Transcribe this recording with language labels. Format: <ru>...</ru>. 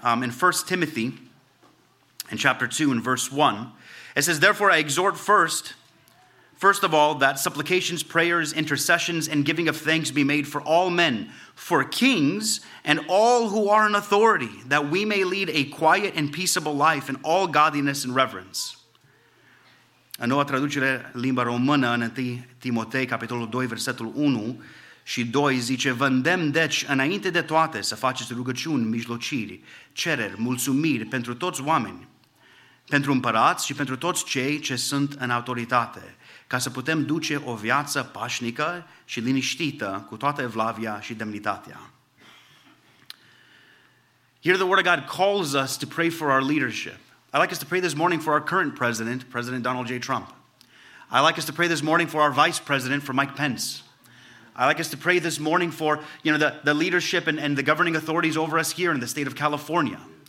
<en>In 1 Timothy, in chapter 2, in verse 1, it says, "Therefore I exhort first of all, that supplications, prayers, intercessions, and giving of thanks be made for all men, for kings, and all who are in authority, that we may lead a quiet and peaceable life in all godliness and reverence."</en> <ro>A noua traducere, limba română, în 1 Timotei, capitolul 2, versetul 1, și 2 zice: vă îndemn deci înainte de toate să faceți rugăciuni, mijlociri, cereri, mulțumiri pentru toți oameni, pentru împărați și pentru toți cei ce sunt în autoritate, ca să putem duce o viață pașnică și liniștită cu toată evlavia și demnitatea.</ro> <en>Here the word of God calls us to pray for our leadership. I'd like us to pray this morning for our current president, President Donald J. Trump. I'd like us to pray this morning for our vice president, for Mike Pence. I'd like us to pray this morning for, you know, the leadership and the governing authorities over us here in the state of California.</en>